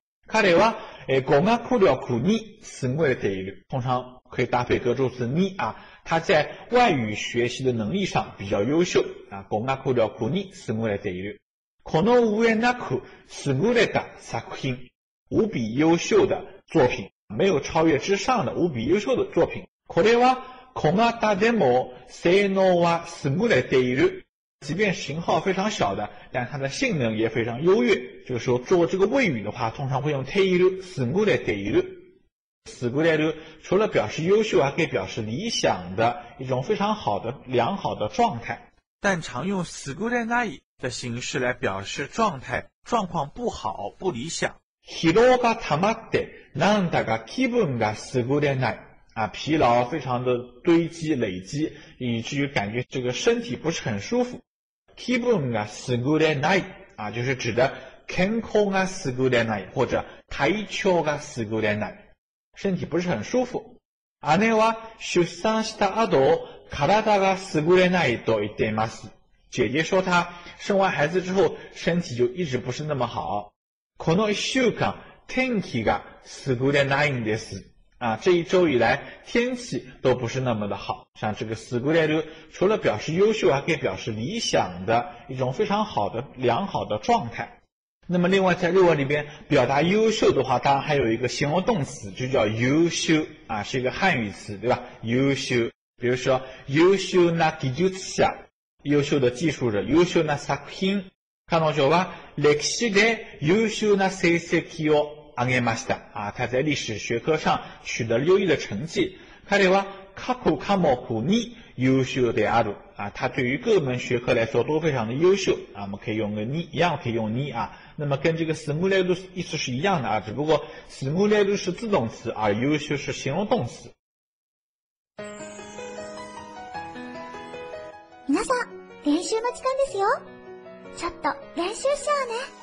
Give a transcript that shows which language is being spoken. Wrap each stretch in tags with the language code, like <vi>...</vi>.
<ja>彼は語学力にすぐれている。</ja> <zh>通常可以搭配各助词に啊，他在外语学习的能力上比较优秀啊，</zh> <ja>語学力にすぐれている。この上なくすぐれた作品。</ja> <zh>无比优秀的作品，没有超越之上的无比优秀的作品。</zh> <ja>これは小型でも性能は優れている。</ja> <zh>即便型号非常小的，但它的性能也非常优越。这个时候做这个谓语的话，通常会用</zh> <ja>ている、優れている。</ja> <zh>優れる除了表示优秀，还可以表示理想的一种非常好的良好的状态。但常用優れない的形式来表示状态，状况不好、不理想。</zh> <ja>疲労が溜まって、なんだか気分が優れない。</ja> <zh>啊，疲劳非常的堆积累积，以至于感觉这个身体不是很舒服。</zh> <ja>気分が優れない。</ja> <zh>啊，就是指的</zh> <ja>健康が優れない，或者体調が優れない。</ja> <zh>身体不是很舒服。</zh> <ja>姉は出産した後、体が優れないと言っています。</ja> <zh>姐姐说她生完孩子之后，身体就一直不是那么好。</zh> <ja>この一週間天気が優れないんです。</ja> <zh>啊，这一周以来天气都不是那么的好。像这个優れる，除了表示优秀，还可以表示理想的一种非常好的良好的状态。那么另外在日文里边表达优秀的话，当然还有一个形容动词，就叫優秀啊，是一个汉语词，对吧？優秀，比如说</zh> <ja>優秀な技術者，</ja> <zh>优秀的技术者，</zh> <ja>優秀な作品。彼女は歴史で優秀な成績を上げました。</ja> <zh>啊，他在历史学科上取得优异的成绩。</zh> <ja>彼は各科目に優秀である。</ja> <zh>啊，他对于各门学科来说都非常的优秀。啊，我们可以用个に，一样可以用に啊。那么跟这个優れる意思是一样的啊，只不过優れる是自动词，而优秀是形容动词。</zh> <ja>皆さん、練習の時間ですよ。ちょっと練習しようね。</ja>